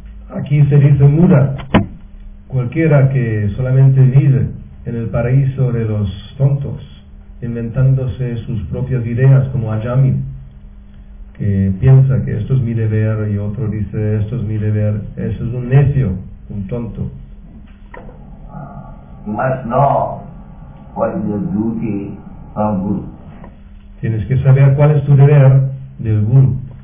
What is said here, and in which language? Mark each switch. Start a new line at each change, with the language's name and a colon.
Spanish: Aquí se dice muda, cualquiera que solamente vive en el paraíso de los tontos, inventándose sus propias ideas como Ajamil, que piensa que esto es mi deber y otro dice esto es mi deber, eso es un necio, un tonto.
English: You must know what is your duty from Guru.
Spanish: Tienes que saber cuál es tu deber del guru.